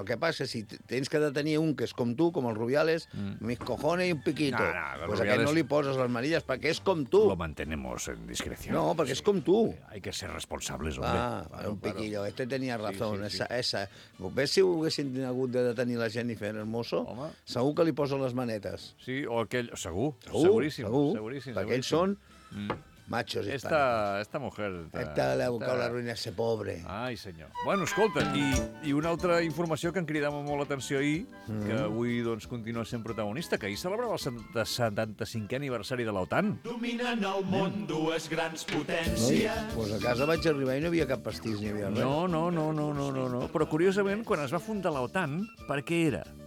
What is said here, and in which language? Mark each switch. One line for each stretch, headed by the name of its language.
Catalan: El que passa és si tens que detenir un que és com tu, com el Rubiales,
Spanish: mis cojones y un piquito.
Catalan: No, no, pues Rubiales... a que no li poses les manillas perquè és com tu.
Spanish: Lo mantenemos en discreció.
Catalan: No, perquè sí. És com tu.
Spanish: Hay que ser responsables, hombre. Ah, claro, un piquillo. Claro. Este tenía razón. Sí, sí, sí. Esa.
Catalan: Ves si ho haguessin hagut de detenir la Jennifer Hermoso, home. Segur que li posen les manetes. Sí, o aquell... Segur. Segur. Seguríssim. Segur. Seguríssim. Perquè ells són...
Spanish: Machos hispanos. Esta mujer... Esta le ha buscado la ruina a ese pobre.
Catalan: Ai, senyor. Bueno, escolta, i una altra informació que em cridava molt l'atenció ahir, que avui doncs, continua sent protagonista, que ahir celebrava el 75è aniversari de l'OTAN. Dominen el món dues grans potències. Pues a casa vaig arribar i no hi havia cap pastís ni havia res. No. Però curiosament, quan es va fundar l'OTAN, per què era?